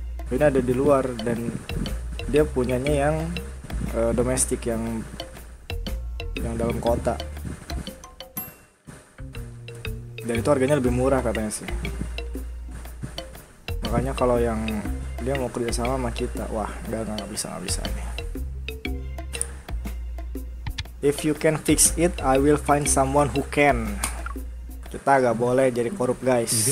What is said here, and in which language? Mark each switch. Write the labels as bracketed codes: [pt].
[id] Ini ada di luar dan dia punyanya yang domestik yang dalam kota. Dan itu harganya lebih murah katanya sih. Makanya kalau yang dia mau kerjasama sama kita, wah nggak bisa nih. [en] If you can fix it, I will find someone who can. [id] Kita gak boleh jadi korup guys.